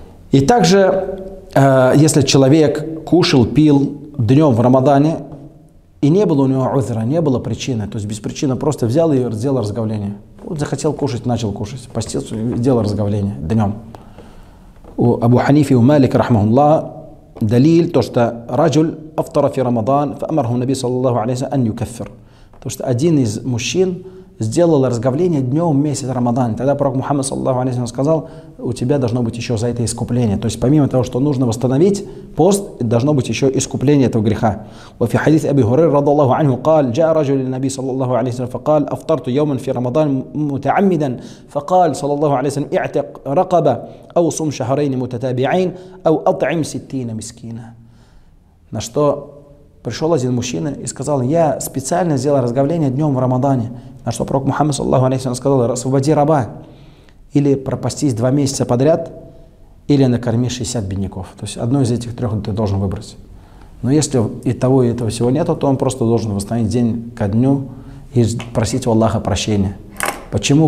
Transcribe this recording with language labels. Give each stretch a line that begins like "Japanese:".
Russian: И также, если человек кушал, пил днем в Рамадане, и не было у него узра, не было причины, то есть без причины просто взял и сделал разговление. Вот захотел кушать, начал кушать. Постился, сделал разговление днем. У Абу Ханифи, у Малика, рахмахуллах,
Arabic: دليل توشتا رجل أفطر في رمضان فأمره النبي صلى الله عليه وسلم أن يكفر.
Russian: توشتا один из мужчин сделал разговление днем в месяц Рамадан. Тогда пророк Мухаммад صلى الله عليه وسلم сказал: "У тебя должно быть еще за это искупление". То есть помимо того, что нужно восстановить пост, должно быть еще искупление этого греха.
Arabic: وفي حديث أبي هريرة رضي الله عنه قال: "جاء رجل للنبي صلى الله عليه وسلم فقال: أفطرت يوما في رمضان متعمدا، فقال صلى الله عليه وسلم: اعتق رقبة أو صم شهرين متتابعين أو أطعم 60 مسكينا".
Russian: На что пришел один мужчина и сказал: "Я специально сделал разговление днем в Рамадане". На что пророк Мухаммад саллаллаху алейхи ва саллям сказал: "Освободи раба, или пропастись 2 месяца подряд, или накорми 60 бедняков". То есть одно из этих трех ты должен выбрать. Но если и того, и этого всего нету, то он просто должен восстановить день ко дню и просить у Аллаха прощения. Почему?